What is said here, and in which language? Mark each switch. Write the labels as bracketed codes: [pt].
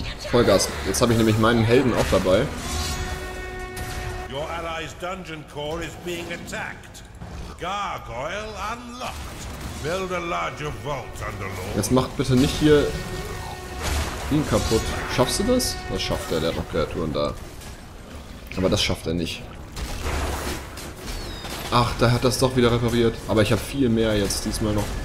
[de] Vollgas, jetzt habe ich nämlich meinen Helden auch dabei. [en] Your allies dungeon core is being attacked. Gargoyle unlocked. Build a larger vault underlord. [de] Jetzt macht bitte nicht hier ihn kaputt. Schaffst du das? Das schafft er, der hat noch Kreaturen da. Aber das schafft er nicht. Ach, da hat das doch wieder repariert. Aber ich habe viel mehr jetzt diesmal noch.